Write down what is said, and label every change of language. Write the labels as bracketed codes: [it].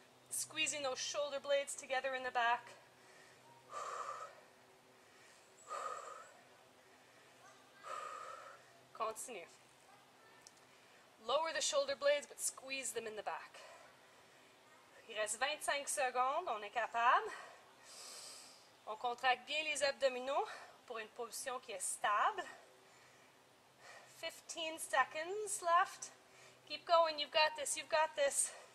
[en] Squeezing those shoulder blades together in the back. Continue. Lower the shoulder blades, but squeeze them in the back. [fr] Il reste 25 secondes, on est capable. On contracte bien les abdominaux pour une position qui est stable. [en] 15 seconds left. Keep going, you've got this, you've got this.